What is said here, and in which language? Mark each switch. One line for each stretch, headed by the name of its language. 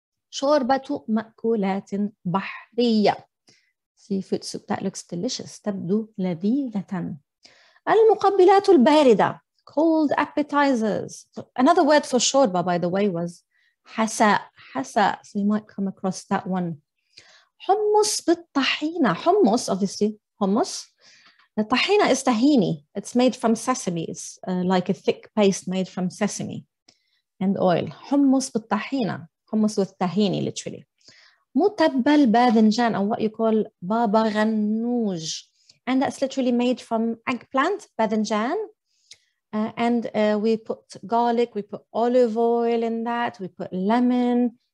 Arabic: شوربة مأكولات بحرية.
English: Seafood soup. That looks delicious.
Arabic: تبدو لذيذة. المقبلات الباردة.
English: Cold appetizers. So another word for شوربة, by the way, was حساء.
Arabic: حساء.
English: So you might come across that one.
Arabic: حمص بالطحينة. حمص, obviously, حمص.
English: الطحينة is tahini. It's made from sesame. It's like a thick paste made from sesame and oil.
Arabic: حمص بالطحينة.
English: حمص with tahini, literally. متبل باذنجان, or what you call بابا غنوج. And that's literally made from eggplant, باذنجان. We put garlic, we put olive oil in that, we put lemon.